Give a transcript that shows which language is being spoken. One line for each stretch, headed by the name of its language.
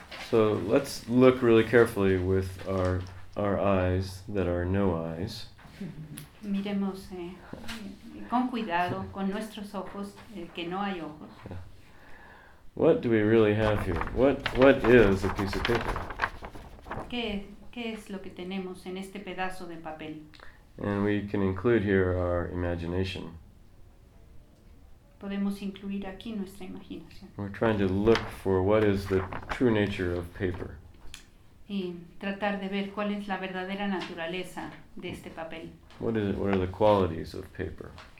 English: So let's look really carefully with our eyes that are no eyes.
Spanish: Miremos con cuidado con nuestros ojos que no hay ojos.
English: What do we really have here? What is a piece of paper?
Spanish: ¿Qué es lo que tenemos en este pedazo de papel?
English: And we can include here our imagination.
Spanish: Podemos incluir aquí nuestra imaginación.
English: We're trying to look for what is the true nature of paper.
Spanish: Y tratar de ver cuál es la verdadera naturaleza de este papel.
English: What is it? What are the qualities of paper?